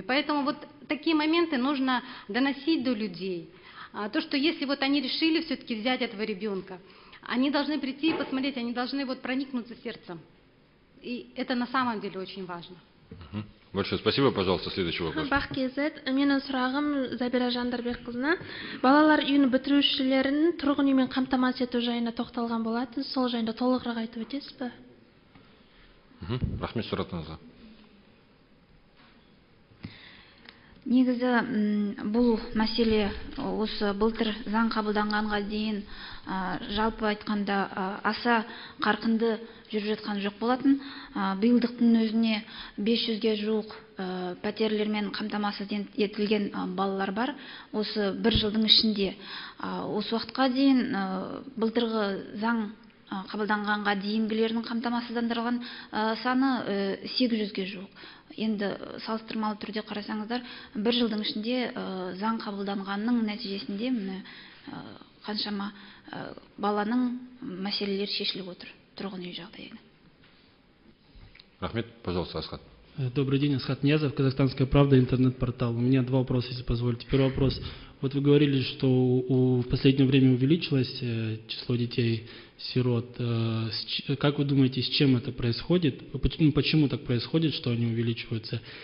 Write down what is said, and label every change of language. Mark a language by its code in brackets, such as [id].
[ru] Поэтому вот такие моменты нужно доносить до людей. То, что если вот они решили все-таки взять этого ребенка, они должны прийти и посмотреть, они должны вот проникнуться сердцем. И это на самом деле очень важно. Большое спасибо, пожалуйста, следующий вопрос. [kk] Бахкезет, менің сұрағым Забира Жандарбекқызына. Балалар үйін бітірушілерін тұрғын үймен қамтамасыз ету жайына тоқталған болатын, сол жайында толығырақ айтып өтесіз бе? Рахмет сұрағыңызға. Негізі, бұл мәселе осы былтыр заң қабылданғанға дейін жалпы айтқанда аса қарқынды жүріп жатқан жоқ болатын. Биылдықтың өзіне 500-ге жуық пәтерлермен қамтамасыз етілген балалар бар. Осы бір жылдың ішінде осы уақытқа дейін былтырғы заң қабылданғанға дейінгілердің қамтамасыздандырылған саны 800-ге жуық. Енді салыстырмалы түрде қарасаңыздар, бір жылдың ішінде заң қабылданғанның нәтижесінде қаншама баланың мәселелері шешіліп отыр тұрғын үй жағдайында. [ru] Рахмет, пожалуйста, Асхат. Добрый день, Асхат Ниязов, «Казахстанская правда», интернет-портал. У меня два вопроса, если позволите. Первый вопрос. Вот вы говорили, что в последнее время увеличилось число детей-сирот. Как вы думаете, с чем это происходит? Почему так происходит, что они увеличиваются?